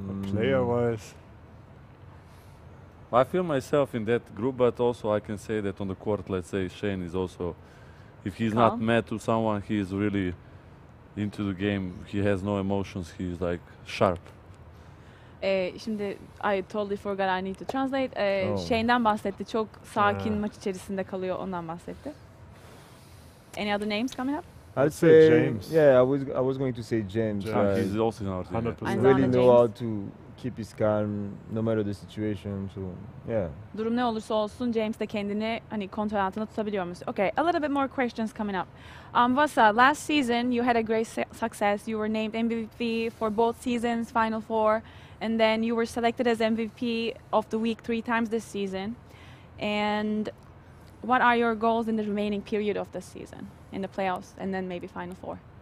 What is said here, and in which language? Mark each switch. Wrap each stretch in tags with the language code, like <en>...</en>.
<en>Player-wise. I feel myself in that group, but also I can say that on the court, let's say, Shane is also, if he's calm. Not mad to someone, he is really into the game, he has no emotions, he's like sharp. Şimdi I totally forgot I need to translate.</en> <tr>Shane'den bahsetti, çok sakin maç içerisinde kalıyor, ondan bahsetti.</tr> <en>Any other names coming up? I'd say James. Yeah, I was going to say James. He's also in our team. He really know how to keep his calm no matter the situation, so yeah.</en> <tr>Durum ne olursa olsun James de kendini hani kontrol altında tutabiliyor musun?</tr> <en>Okay, a little bit more questions coming up. Vasa, last season you had a great success. You were named MVP for both seasons, Final Four, and then you were selected as MVP of the week 3 times this season. And what are your goals in the remaining period of this season in the playoffs and then maybe Final Four?</en>